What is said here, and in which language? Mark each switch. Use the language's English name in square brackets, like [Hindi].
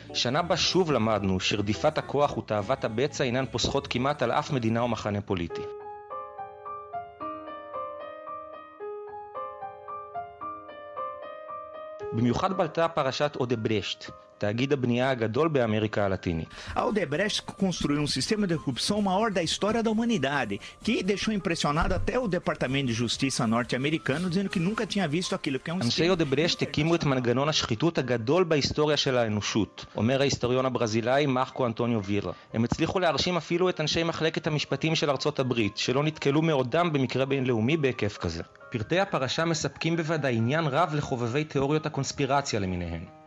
[Hebrew] שנה בה שוב למדנו שרדיפת הכוח ותאוות הבצע אינן פוסחות כמעט על אף מדינה או מחנה פוליטי. במיוחד בלטה פרשת אודברשט, תאגיד הבנייה הגדול באמריקה הלטינית. [Portuguese] Odebrecht construiu um sistema de corrupção maior da história da humanidade, que deixou impressionado até o Departamento de Justiça norte-americano dizendo que nunca tinha visto aquilo, que é um sistema. [Hebrew] אנשי אודברשט הקימו את מנגנון השחיתות הגדול בהיסטוריה של האנושות, אומר ההיסטוריון הברזילאי מרקו אנטוניו וילה. הם הצליחו להרשים אפילו את אנשי מחלקת המשפטים של ארצות הברית, שלא נתקלו מעודם במקרה בינלאומי בהיקף כזה. פרטי הפרשה מספקים בוודאי עניין רב לחובבי תיאוריות הקונספירציה למיניהן.